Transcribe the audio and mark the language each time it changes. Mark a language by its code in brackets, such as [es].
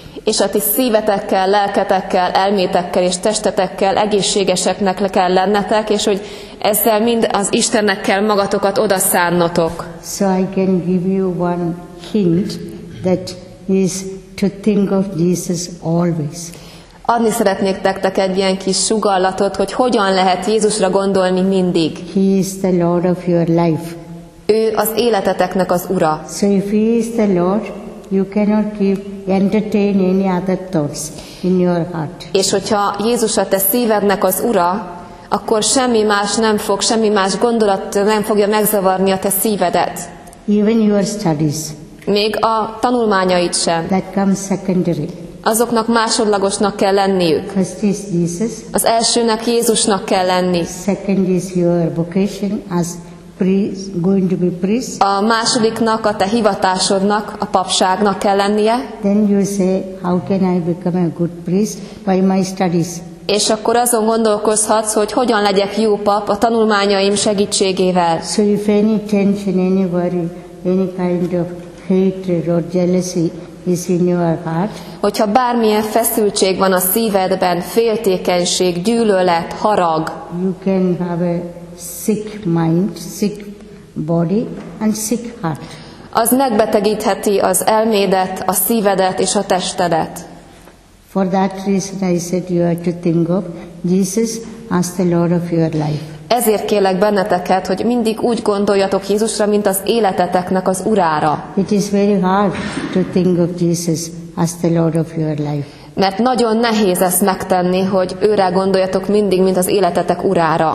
[hu] És a ti szívetekkel, lelketekkel, elmétekkel és testetekkel egészségeseknek kell lennetek, és hogy ezzel mind az Istennek kell magatokat odaszánnotok. [en] So I can give you one hint that is to think of Jesus always. [hu] Adni szeretnék nektek egy ilyen kis sugallatot, hogy hogyan lehet Jézusra gondolni mindig. [en] He is the Lord of your life. [hu] Ő az életeteknek az ura. [en] So if he is the Lord, you cannot keep entertain any other thoughts in your heart. [hu] És hogyha Jézus a te szívednek az ura, akkor semmi más nem fog, semmi más gondolat nem fogja megzavarni a te szívedet. [en] Even your studies. [hu] Még a tanulmányait sem. [en] That comes secondary. [hu] azoknak másodlagosnak kell lenniük. [en] First is Jesus. [hu] Az elsőnek Jézusnak kell lenni. [en] Second is your vocation as priest, going to be priest. [hu] A másodiknak, a te hivatásodnak, a papságnak kell lennie. [en] Then you say, how can I become a good priest by my studies? [hu] És akkor azon gondolkozhatsz, hogy hogyan legyek jó pap a tanulmányaim segítségével. [en] So if any tension, any worry, any kind of hatred or jealousy is in your heart. [hu] Hogyha bármilyen feszültség van a szívedben, féltékenység, gyűlölet, harag. [en] You can have a sick mind, sick body and sick heart. [hu] Az megbetegítheti az elmédet, a szívedet és a testedet. [en] For that reason I said you have to think of Jesus as the Lord of your life. [hu] Ezért kérlek benneteket, hogy mindig úgy gondoljatok Jézusra, mint az életeteknek az urára. [en] It is very hard to think of Jesus as the Lord of your life. [hu] Mert nagyon nehéz ezt megtenni, hogy őre gondoljatok mindig, mint az életetek urára.